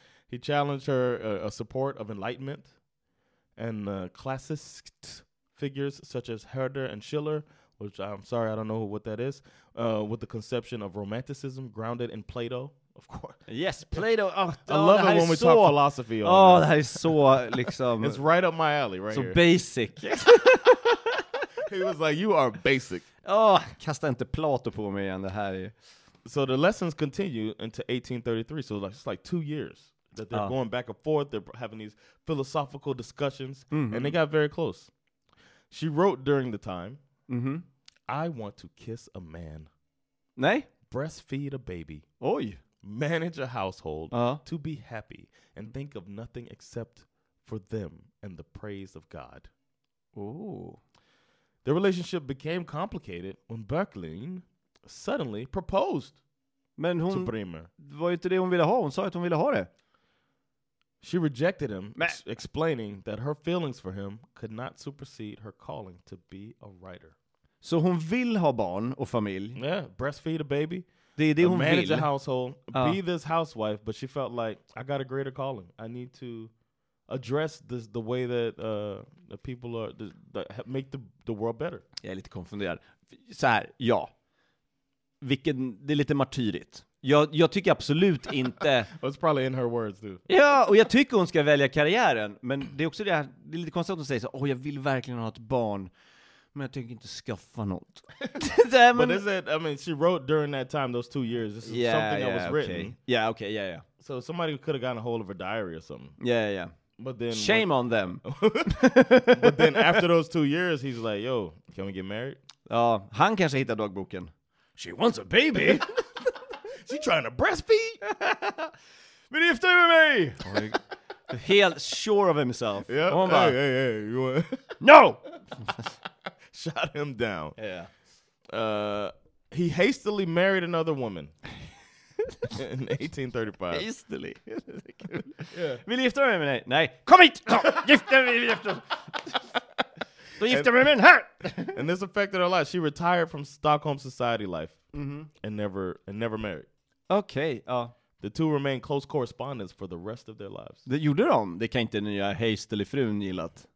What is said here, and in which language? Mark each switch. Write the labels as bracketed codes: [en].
[en] He challenged her a support of enlightenment and classist figures such as Herder and Schiller, which I'm sorry, I don't know what that is, with the conception of romanticism grounded in Plato, of course. Yes, Plato. Oh, I love it when we talk philosophy. Oh, that is so, liksom. It's right up my alley right so here. So basic. He was like, you are basic. [sv] Oh, kasta inte Plato på mig igen, det här är. [en] So the lessons continue into 1833. So it's like 2 years that they're going back and forth. They're having these philosophical discussions. Mm-hmm. And they got very close. She wrote during the time, mm-hmm. I want to kiss a man. [sv] Nej. [en] Breastfeed a baby. [sv] Oj. [en] Manage a household. Uh-huh. To be happy and think of nothing except for them and the praise of God. Ooh. Their relationship became complicated when Böcklin suddenly proposed. [sv] Men hon, [en] to Bremer. [sv] Var inte det hon ville ha? Hon sa att hon ville ha det. [en] She rejected him, explaining that her feelings for him could not supersede her calling to be a writer. [sv] Så hon vill ha barn och familj. [en] Yeah, breastfeed a baby. [sv] Det är det hon [en] manage [sv] vill. [en] A household, be this housewife, but she felt like I got a greater calling. I need to address this the way that the people are that make the world better. [sv] Jag är lite konfunderad. Så här, ja. Vilken, det är lite martyrigt. Jag tycker absolut inte. [en] It's probably in her words, dude. [sv] Ja, och jag tycker hon ska välja karriären, men det är också det här, det är lite konstigt att hon säger så, jag vill verkligen ha ett barn, men jag tänker inte skaffa något. [en] But is it, I mean, she wrote during that time, those 2 years. This is something that was written. Okay. Yeah, okay, yeah, yeah. So somebody could have gotten a hold of her diary or something. Yeah, yeah. But then shame on them. But then after those 2 years, he's like, yo, can we get married? [sv] Ja, han kanske hittar dagboken. [en] She wants a baby. She trying to breastfeed. [sv] Men gifta med mig. Helt [en] sure of himself. Yeah. [sv] Hon bara, hey, hey, hey. [en] No. Shot him down. Yeah. He hastily married another woman. In 1835. Hastily. Yeah. [sv] Vill gifta med mig? Nej. Kom hit. Gifta mig. Gifta. Då gifta mig med den här. [en] And this affected her a lot. She retired from Stockholm society life. Mm-hmm. And never married. Okay. The two remained close correspondents for the rest of their lives. [sv] Det gjorde de. Det kan inte nya hastily frun gillat.